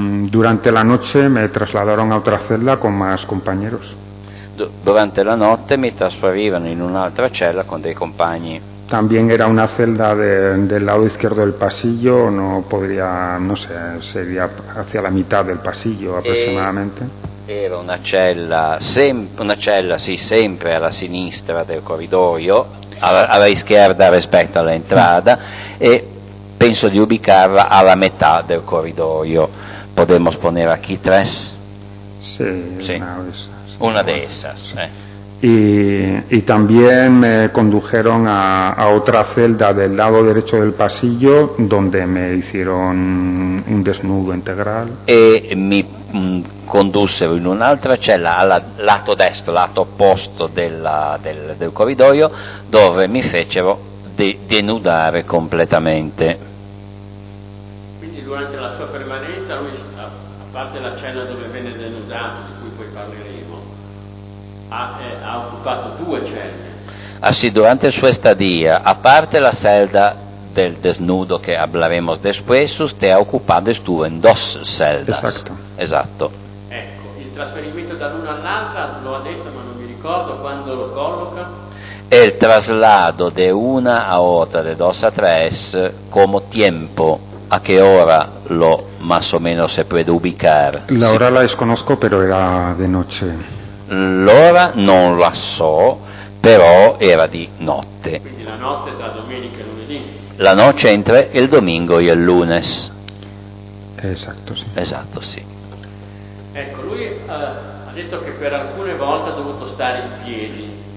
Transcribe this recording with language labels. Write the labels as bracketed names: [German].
[Spanish] Durante la noche me trasladaron a otra celda con más compañeros. [Italian] Durante la noche me trasferivano en un'altra cella con dei compagni. [Spanish] También era una celda del lado izquierdo del pasillo, no podría, no sé, sería hacia la mitad del pasillo aproximadamente. [Italian] Era una cella, sempre alla sinistra del corridoio, alla izquierda respecto alla entrada, e penso di ubicarla alla metà del corridoio. [Spanish] Podemos poner aquí tres? [Italian] Sì. [Spanish] Una de esas, sí. Y también me condujeron a otra celda del lado derecho del pasillo, donde me hicieron un desnudo integral. [Italian] E mi condussero in un'altra cella, al lato destro, lato opposto del corridoio, dove mi fecero denudare completamente. Quindi durante la sua permanenza, lui, a parte la cella dove venne denudato, di cui poi parleremo, ha occupato due celle. [Spanish] Ah sì, durante la sua estadia, a parte la celda del desnudo che hablaremos después, usted ha occupato estuvo in dos celdas. [Italian] Esatto. Ecco, il trasferimento da l'una all'altra, lo ha detto ma non mi ricordo, quando lo colloca? [Spanish] E il traslado de una a otra, de dos a tres, come tempo? ¿A qué hora lo más o menos se puede ubicar? La hora la desconozco, pero era de noche. [Italian] L'ora non la so, però era di notte. Quindi la notte tra domenica e lunedì. La notte entra il domingo e il lunes. Esatto, sì. Ecco, lui ha detto che per alcune volte ha dovuto stare in piedi.